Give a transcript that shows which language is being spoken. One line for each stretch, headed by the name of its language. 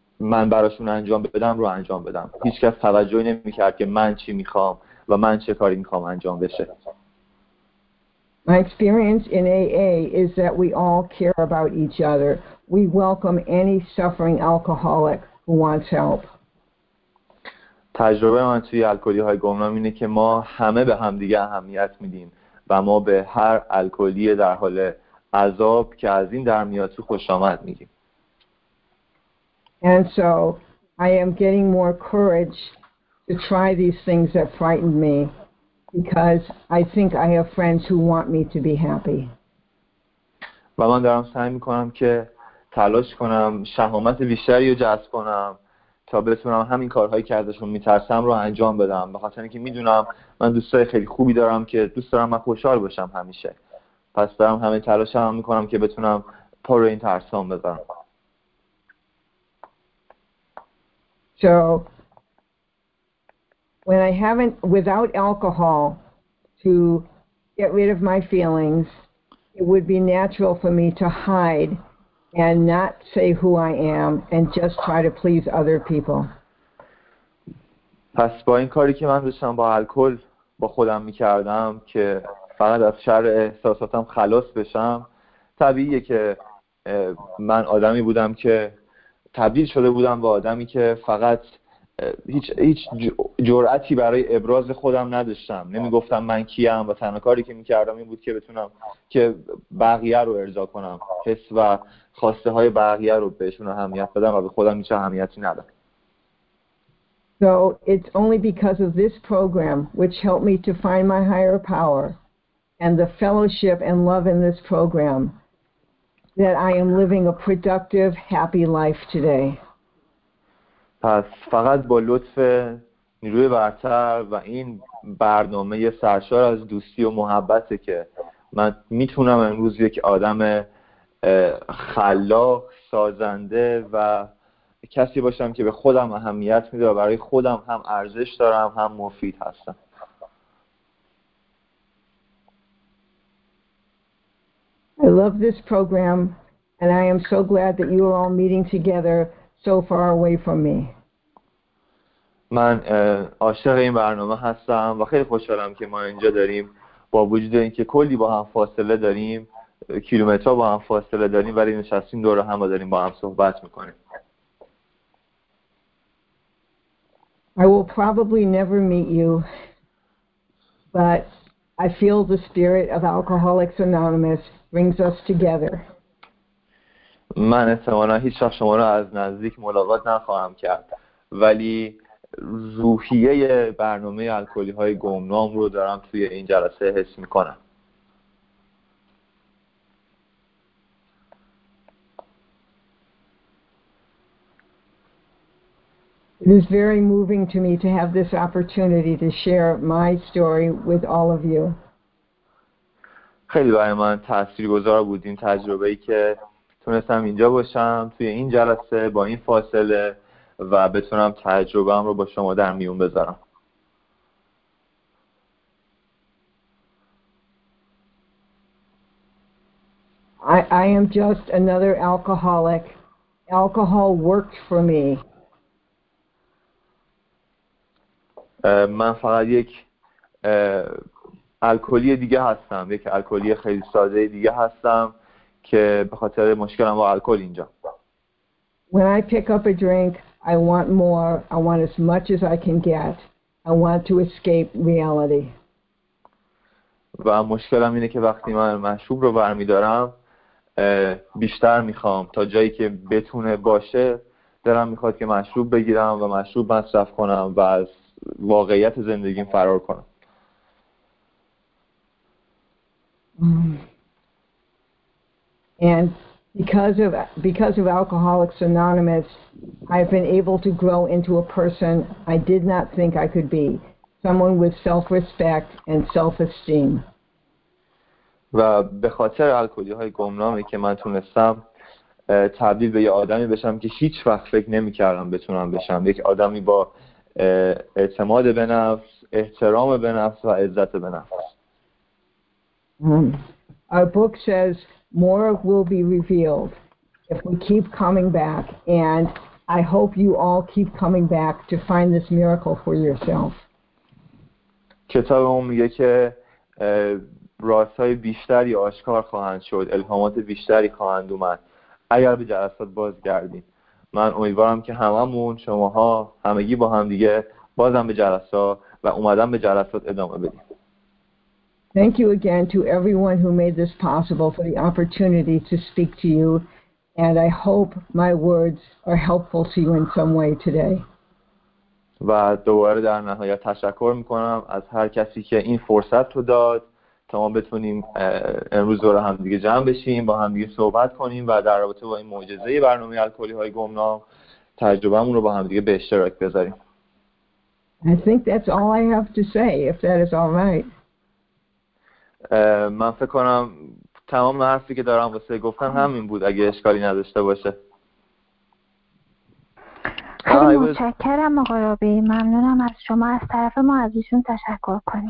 Persian: من براشون انجام بدم رو انجام بدم. هیچ کس توجهی نمی کرد که من چی می خوام و من چه کاری می خوام انجام بشه.
English: My experience in AA is that we all care about each other. We welcome any suffering alcoholic who wants help.
Persian: تجربه من توی الکلی‌های گمنام اینه که ما همه به هم دیگه اهمیت میدیم و ما به هر الکلی در حال عذاب که از این در میاد تو خوش آمد میگیم.
English: And so I am getting more courage to try these things that frightened me because I think I have friends who want me to be happy.
Persian: و من دارم سعی میکنم که تلاش کنم شهامت بیشتری رو جذب کنم تا بتونم همین کارهایی که ازشون میترسم رو انجام بدم، به خاطر اینکه میدونم من دوستای خیلی خوبی دارم که دوست دارم من خوشحال باشم همیشه. پس دارم همه تلاشم میکنم که بتونم پا رو این ترسام بذارم.
English: So when I haven't without alcohol to get rid of my feelings, it would be natural for me to hide and not say who I am and just try to please other people.
Persian: پس با این کاری که من داشتم با الکل با خودم می‌کردم که فقط از شر احساساتم خلاص بشم، طبیعیه که من آدمی بودم که تبدیل شده بودم به آدمی که فقط هیچ جرأتی برای ابراز خودم نداشتم. نمیگفتم من کیم و تنها کاری که میکردم این بود که بتونم که بقیه رو ارضا کنم، حس و خواسته های بقیه رو بهشون اهمیت بدم و به خودم هیچ اهمیتی ندم.
English: So it's only because of this program which helped me to find my higher power and the fellowship and love in this program that I am living a productive happy life today.
Persian: پس فقط با لطف نیروی برتر و این برنامه سرشار از دوستی و محبته که من میتونم امروز یک آدم خلاق، سازنده و کسی باشم که به خودم اهمیت میده و برای خودم هم ارزش دارم هم مفید هستم.
English: I love this program and I am so glad that you are all meeting together so far away from me.
Persian: من عاشق این برنامه هستم و خیلی خوشحالم که ما اینجا داریم، با وجود اینکه کلی با هم فاصله داریم، کیلومترها با هم فاصله داریم، ولی نشستیم دور هم و داریم با هم صحبت میکنیم.
English: I will probably never meet you, but I feel the spirit of Alcoholics Anonymous brings us together.
Persian: من احتمالا هیچ وقت شما رو از نزدیک ملاقات نخواهم کرد، ولی روحیه برنامه الکلی های گمنام رو دارم توی این جلسه حس میکنم.
English: It is very moving to me to have this opportunity to share my story with all of you.
Persian: خیلی برای من تاثیرگذار بود این تجربه‌ای که تونستم اینجا باشم توی این جلسه با این فاصله و بتونم تجربه‌ام رو با شما در میون بذارم.
English: I am just another alcoholic. Alcohol worked for me.
Persian: من فقط یک الکلی دیگه هستم، یک الکلی خیلی ساده دیگه هستم که به خاطر مشکلم با الکل اینجا.
English: When I pick up a drink, I want more. I want as much as I can get. I want to escape reality.
Persian: و مشکلم اینه که وقتی من مشروب رو برمی‌دارم بیشتر می‌خوام، تا جایی که بتونه باشه دارم می‌خواد که مشروب بگیرم و مشروب مصرف کنم و از واقعیت زندگیم فرار کنم.
English: And because of Alcoholics Anonymous, I've been able to grow into a person I did not think I could be, someone with self-respect and self-esteem.
Persian: و به خاطر الکلی‌های گمنامی که من تونستم تبدیل به یه آدمی بشم که هیچ وقت فکر نمی‌کردم بتونم بشم، یک آدمی با اعتماد به نفس، احترام به نفس و عزت به نفس.
English: Our book says more will be revealed if we keep coming back and I hope you all keep coming back to find this miracle for yourself.
Persian: کتاب اون میگه که راستای بیشتری آشکار خواهند شد، الهامات بیشتری خواهند اومد اگر به جلسات بازگردید. من امیدوارم که هممون، شماها، همگی با هم دیگه بازم به جلسات و اومدن به جلسات ادامه بدیم.
English: Thank you again to everyone who made this possible for the opportunity to speak to you, and I hope my words are helpful to you in some way today.
Persian: و دوباره در نهایت تشکر میکنم از هر کسی که این فرصت رو داد تا ما بتونیم امروز دور هم دیگه جمع بشیم، با هم دیگه صحبت کنیم و در رابطه با این معجزه برنامه الکلی های گمنام تجربه‌مون رو با هم دیگه به اشتراک بذاریم.
English: I think that's all I have to say, if that is all right.
Persian: من فکر کنم تمام حرفی که دارم واسه گفتن همین بود، اگه اشکالی نداشته باشه. خیلی متشکرم آقای رابی، ممنونم از شما، از طرف ما ازشون تشکر کنیم.